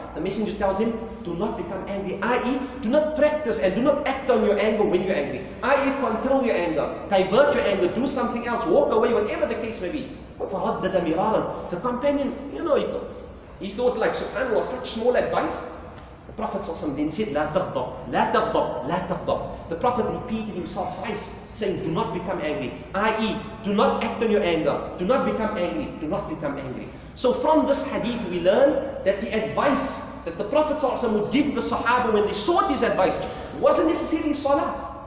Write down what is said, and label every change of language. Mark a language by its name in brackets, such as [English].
[English] The Messenger tells him, do not become angry, i.e. do not practice and do not act on your anger when you're angry. I.e. control your anger, divert your anger, do something else, walk away, whatever the case may be. [Arabic] فَرَدَّدَ مِرَارًا. [English] The companion, you know, he thought like, subhanAllah, such small advice. The Prophet ﷺ then said, [Arabic] لَا تَغْضَبْ, لَا تَغْضَبْ, لَا تَغْضَبْ. [English] The Prophet repeated himself twice, saying, do not become angry. I.e. do not act on your anger. Do not become angry. Do not become angry. So from this hadith, we learn that the advice that the Prophet ﷺ would give the Sahaba when they sought his advice wasn't necessarily salah.